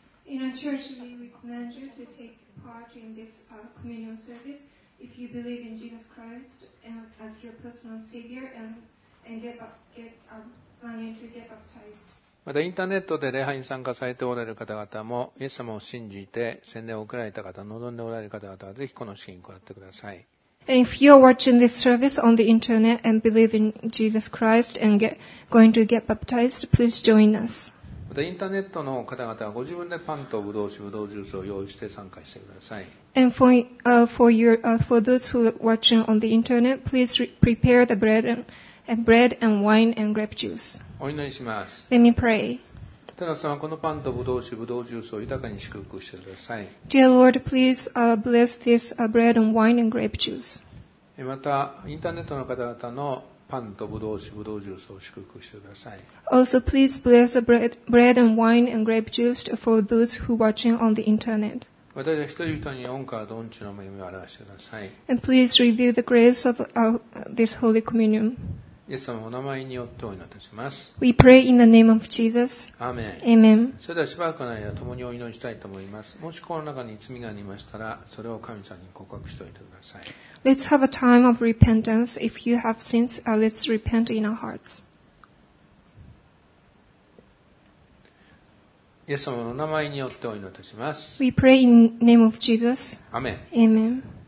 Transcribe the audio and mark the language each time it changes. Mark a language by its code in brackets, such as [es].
[en] In our church, we recommend you to take part in this communion service if you believe in Jesus Christ as your personal Savior and planning to get baptized. [ja] またインターネットで礼拝に参加されておられる方々も、イエス様を信じて洗礼を受けられた方、望んでおられる方々はぜひこの式に加わってください。 [en] And if you are watching this service on the internet and believe in Jesus Christ and going to get baptized, please join us. [ja] またインターネットの方々はご自分でパンとブドウ酒、ブドウジュースを用意して参加してください。 [en] And for those who are watching on the internet, please prepare the bread and wine and grape juice. [ja] お祈りします。 [en] Let me pray. [ja] 天の様、このパンとブドウ酒、ブドウジュースを豊かに祝福してください。 [en] Dear Lord, please bless this bread and wine and grape juice. [ja] またインターネットの方々のパンとブドウ酒、ブドウジュースを祝福してください。 [en] Also, please bless the bread and wine and grape juice for those who are watching on the internet. [ja] 私は人々に恩からどんちの恵みを表してください。 [en] And please reveal the grace of this holy communion. [ja] イエス様、お名前によってお祈りいたします。 [en] We pray in the name of Jesus. Amen. Amen. [ja] それではしばらくの間、共にお祈りしたいと思います。もしこの中に罪がありましたら、それを神様に告白しておいてください。 [en] Let's have a time of repentance. If you have sins, let's repent in our hearts. [ja] イエス様の名前によってお祈りいたします。 [en] We pray in name of Jesus. Amen. Amen.